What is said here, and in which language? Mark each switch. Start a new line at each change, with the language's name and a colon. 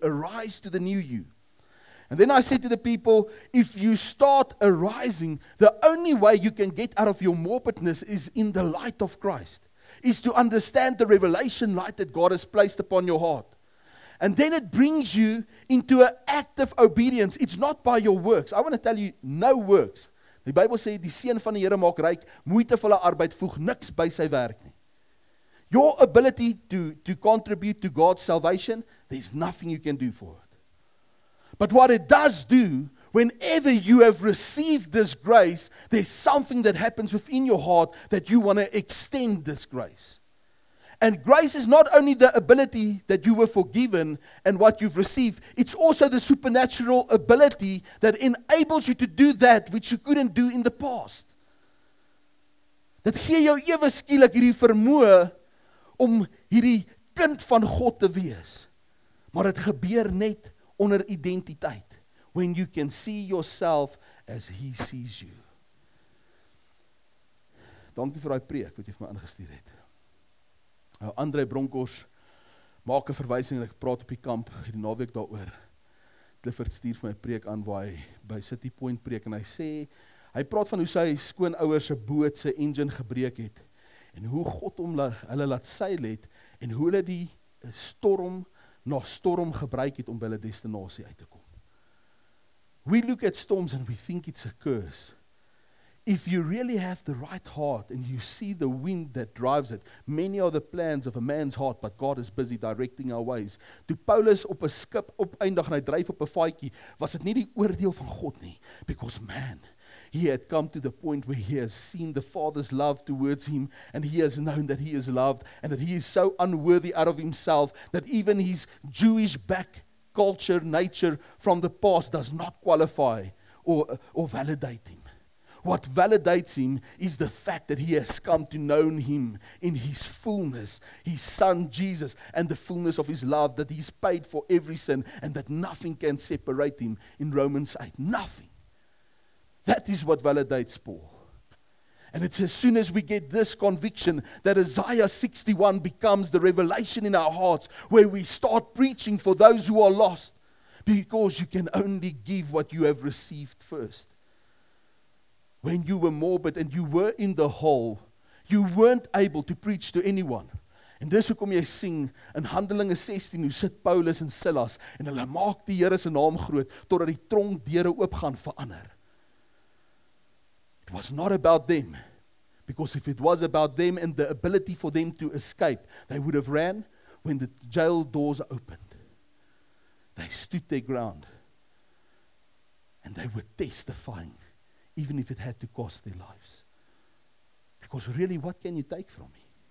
English: Arise to the new you. And then I said to the people, if you start arising, the only way you can get out of your morbidness is in the light of Christ, is to understand the revelation light that God has placed upon your heart. And then it brings you into an active obedience. It's not by your works. I want to tell you, no works.
Afrikaans: The Bible says, die seun van die Here maak ryk, moeite vir hulle arbeid voeg niks by sy werk nie.
English: Your ability to contribute to God's salvation, there's nothing you can do for it. But what it does do, whenever you have received this grace, there's something that happens within your heart that you want to extend this grace. And grace is not only the ability that you were forgiven and what you've received, it's also the supernatural ability that enables you to do that which you couldn't do in the past.
Afrikaans: Dit gee jou ewe skielik hierdie vermoë om hierdie kind van God te wees. Maar dit gebeur net onder identiteit.
English: When you can see yourself as he sees you.
Afrikaans: Dankie vir daai preek wat jy vir my ingestuur het. André Bronkhorst maak 'n verwysing, ek praat op die kamp die naweek daaroor. Clifford stuur vir my preek aan waar hy by City Point preek en hy sê, hy praat van hoe sy skoonouers se boot se engine gebreek het en hoe God hom hulle laat seil het en hoe hulle die storm na storm gebruik het om by hulle destinasie uit te kom.
English: We look at storms and we think it's a curse. If you really have the right heart and you see the wind that drives it, many are the plans of a man's heart, but God is busy directing our ways.
Afrikaans: Toe Paulus op 'n skip op eindig en hy dryf op 'n vaatjie, was dit nie die oordeel van God nie.
English: Because man, he had come to the point where he has seen the Father's love towards him and he has known that he is loved and that he is so unworthy out of himself that even his Jewish back culture, nature from the past does not qualify or validate him. What validates him is the fact that he has come to know him in his fullness, his son Jesus, and the fullness of his love, that he's paid for every sin, and that nothing can separate him in Romans 8. Nothing. That is what validates Paul. And it's as soon as we get this conviction that Isaiah 61 becomes the revelation in our hearts, where we start preaching for those who are lost, because you can only give what you have received first. When you were morbid and you were in the hole, you weren't able to preach to anyone.
Afrikaans: En dis hoekom jy sien in Handelinge 16 hoe sit Paulus en Silas en hulle maak die Here se naam groot totdat die tronk deure oop gaan vir ander.
English: It was not about them. Because if it was about them and the ability for them to escape, they would have ran when the jail doors opened. They stood their ground and they were testifying. Even if it had to cost their lives. Because really, what can you take from me?